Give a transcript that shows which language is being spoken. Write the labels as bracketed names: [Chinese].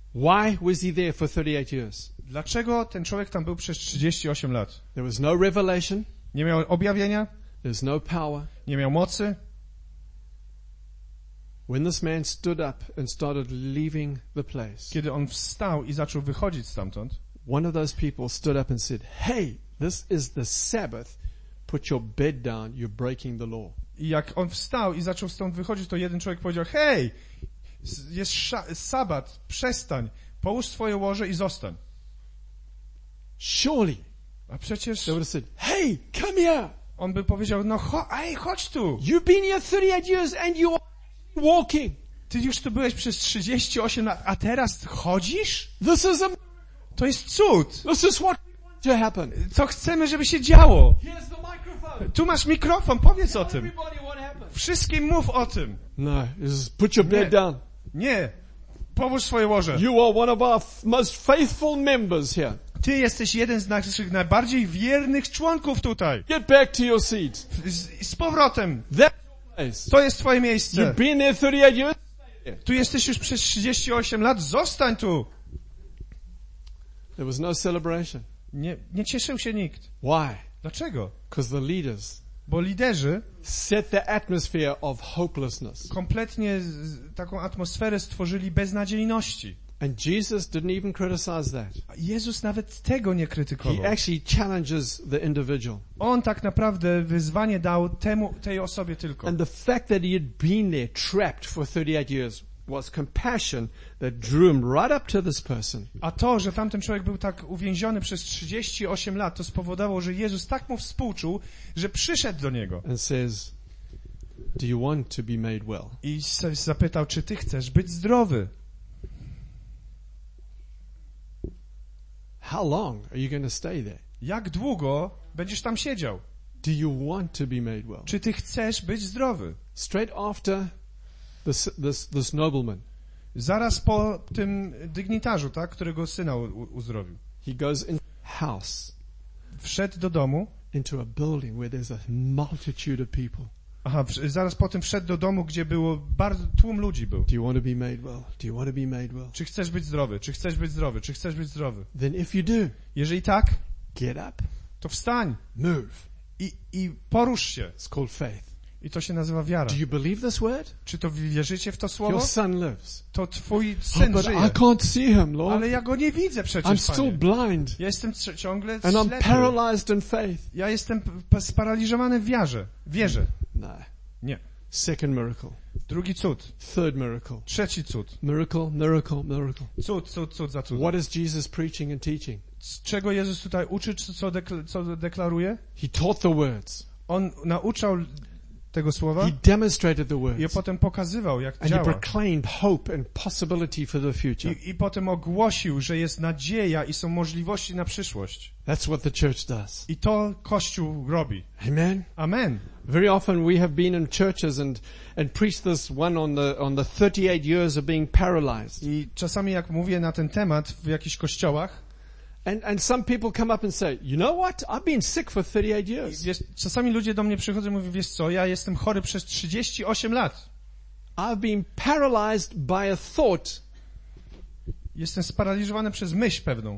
[English] Why was he there for 38 years? [Polish] Dlaczego ten człowiek tam był przez 38 lat? [English] There was no revelation. [Polish] Nie miał objawienia. [English] There's no power. [Polish] Nie miał mocy. [English] When this man stood up and started leaving the place. [Polish] Kiedy on wstał i zaczął wychodzić stamtąd. [English] One of those people stood up and said, "Hey, this is the Sabbath. Put your bed down. You're breaking the law." [Polish] I jak on wstał i zaczął stąd wychodzić, to jeden człowiek powiedział: "Hey, jest sabat, przestań, połóż swoje łoże i zostań." [English] Surely. [Polish] A przecież [English] they would have said, "Hey, come here." [Polish] On by powiedział: "No, chodź tu. [English] You've been here 38 years and you are walking. [Polish] Ty już tu byłeś przez 38 lat, a teraz chodzisz? [English] This is a [Polish] to jest cud. [English] This is what to happen. [Polish] Co chcemy, żeby się działo? [English] Here's the microphone. [Polish] Tu masz mikrofon, powiedz [English] tell [Polish] o tym. [English] What happened. [Polish] Wszystkim mów o tym. [English] No, put your bed down. [Polish] Nie, połóż swoje łoże. [English] You are one of our most faithful members here. [Polish] Ty jesteś jeden z naszych najbardziej wiernych członków tutaj. [English] Get back to your seat. [Polish] Z powrotem. [English] That's your place. [Polish] To jest twoje miejsce. [English] You've been there 38 years. [Polish] Tu jesteś już przez 38 lat. Zostań tu. [English] There was no celebration. [Polish] Nie cieszył się nikt. [English] Why? [Polish] Dlaczego? [English] Because the leaders. [Polish] Bo liderzy [English] set the atmosphere of hopelessness. [Polish] Kompletnie taką atmosferę stworzyli beznadziejności. [English] And Jesus didn't even criticize that. [Polish] Jezus nawet tego nie krytykował. [English] He actually challenges the individual. [Polish] On tak naprawdę wyzwanie dał tej osobie tylko. [English] And the fact that he had been there trapped for 38 years was compassion that drew him right up to this person. [Polish] A to, że tamten człowiek był tak uwięziony przez 38 lat, to spowodowało, że Jezus tak mu współczuł, że przyszedł do niego. [English] And says, "Do you want to be made well?" [Polish] I sobie zapytał, czy ty chcesz być zdrowy? [English] How long are you going to stay there? [Polish] Jak długo będziesz tam siedział? [English] Do you want to be made well? [Polish] Czy ty chcesz być zdrowy? [English] Straight after this nobleman. [Polish] Zaraz po tym dygnitarzu, tak, którego syna uzdrowił. [English] He goes into house. [Polish] Wszedł do domu. [English] Into a building where there's a multitude of people. [Polish] Aha, zaraz po tym wszedł do domu, gdzie było bardzo tłum ludzi był. [English] Do you want to be made well? Do you want to be made well? [Polish] Czy chcesz być zdrowy? Czy chcesz być zdrowy? Czy chcesz być zdrowy? [English] Then if you do. [Polish] Jeżeli tak, [English] get up. [Polish] To wstań. [English] Move. [Polish] I porusz się. [English] It's called faith. [Polish] I to się nazywa wiara. [English] Do you believe this word? [Polish] Czy to wierzycie w to słowo? [English] Your son lives. [Polish] To twój syn [English] but [Polish] żyje. [English] I can't see him, Lord. [Polish] Ale ja go nie widzę przecież, [English] I'm still [Polish] Panie. [English] Blind. [Polish] Ja jestem ciągle ślepy. [English] And I'm paralyzed in faith. [Polish] Ja jestem sparaliżowany w wierze. Wierzę. [English] No. [Polish] Nie. [English] Second miracle. [Polish] Drugi cud. [English] Third miracle. [Polish] Trzeci cud. [English] Miracle, miracle, miracle. [Polish] Cud za cudem. [English] What is Jesus preaching and teaching? [Polish] Czego Jezus tutaj uczy, co deklaruje? [English] He taught the words. [Polish] On nauczał tego słowa. [English] He demonstrated the words. [Polish] I potem pokazywał, jak [English] and [Polish] działa. [English] He proclaimed hope and possibility for the future. [Polish] I potem ogłosił, że jest nadzieja i są możliwości na przyszłość. [English] That's what the church does. [Polish] I to Kościół robi. Amen. Amen. [English] Very often we have been in churches and preached this one on the 38 years of being paralyzed. [Polish] I czasami jak mówię na ten temat w jakichś kościołach. [English] And some people come up and say, you know what? I've been sick for 38 years. [Polish] Czasami ludzie do mnie przychodzą i mówią, wiesz co? Ja jestem chory przez 38 lat. I've been paralyzed by a thought. Jestem sparaliżowany przez myśl pewną.